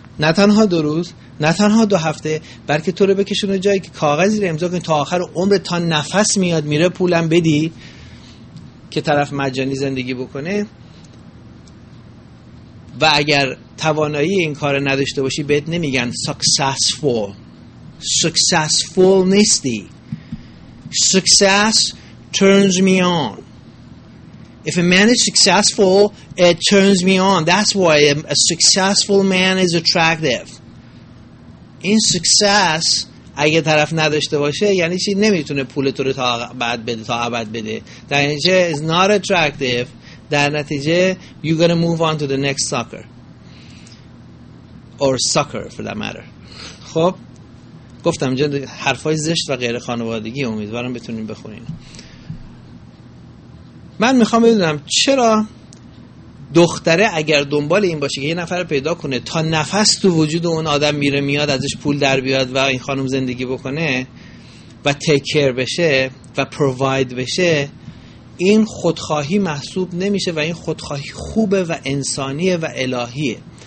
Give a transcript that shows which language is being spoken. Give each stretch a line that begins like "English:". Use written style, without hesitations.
Persian: نه تنها دو روز، نه تنها دو هفته، بلکه تو رو بکشونه جایی که کاغذی رو امضا کنی تا آخر عمر تا نفس میاد میره پولم بدی که طرف مجانی زندگی بکنه. و اگر توانایی این کار نداشته باشی بهت نمیگن successful. Successful نیستی.
English: Success turns me on. If a man is successful, it turns me on. That's why a successful man is attractive.
Persian: این success اگه طرف نداشته باشه یعنی چی؟ نمیتونه پول تو رو تا ابد بده، تا ابد بده. در نتیجه
English: is not attractive. در نتیجه you gonna move on to the next sucker or sucker for that matter.
Persian: خب گفتم اینجا حرفای زشت و غیر خانوادگی، امیدوارم بتونیم بخونین. من میخوام بدونم چرا دختره اگر دنبال این باشه که یه نفر پیدا کنه تا نفس تو وجود اون آدم میره میاد ازش پول در بیاد و این خانم زندگی بکنه و تیکر بشه و پروواید بشه، این خودخواهی محسوب نمیشه و این خودخواهی خوبه و انسانیه و الهیه.